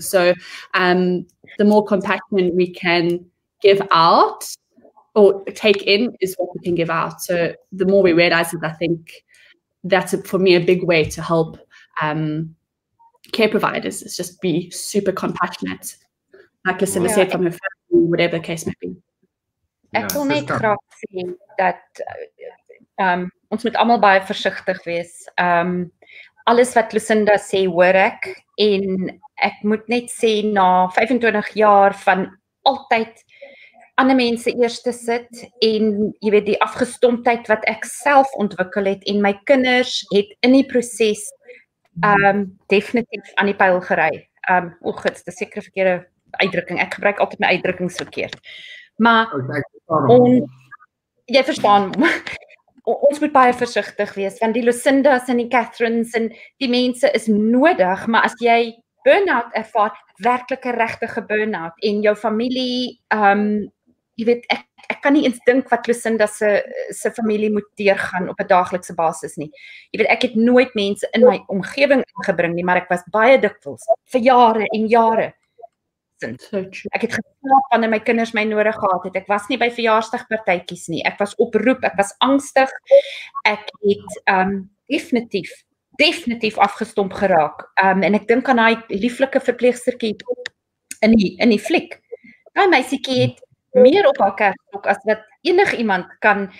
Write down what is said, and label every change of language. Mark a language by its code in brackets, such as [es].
[en] So the more compassion we can give out or take in is what we can give out. So the more we realize it, I think that's, for me, a big way to help care providers is just be super compassionate, like Lucinda said, from her family, whatever the case may be. [af] Ek wil net graag sê dat ons moet allemaal baie versigtig wees. Alles wat Lucinda sê, hoor ek, en ek moet net sê, na 25 jaar van altyd ander mense eers te sit, en jy weet die afgestomptheid wat ek self ontwikkel het, en my kinders het in die proces definitief aan die pijl gery. Dit is sekere verkeerde uitdrukking, ek gebruik altyd my uitdrukkings verkeerd. Maar, jy verstaan, ons moet baie versigtig wees, want die Lucindas en die Catherines en die mense is nodig, maar as jy burn-out ervaar, werklike regtige burn-out, en jou familie, jy weet, ek kan nie eens dink wat Lucinda se familie moet deurgaan op 'n daaglikse basis nie. Jy weet, ek het nooit mense in my omgewing ingebring nie, maar ek was baie dikwels, vir jare en jare. Ek het geslaap wanneer my kinders my nodig gehad het. Ek was nie by verjaarsdagpartytjies nie. Ek was oproep, ek was angstig. Ek het definitief afgestomp geraak. En ek dink aan daai lieflike verpleegsterkie in die fliek. Daai meisiekie het meer op haar kerstok as wat enig iemand kan.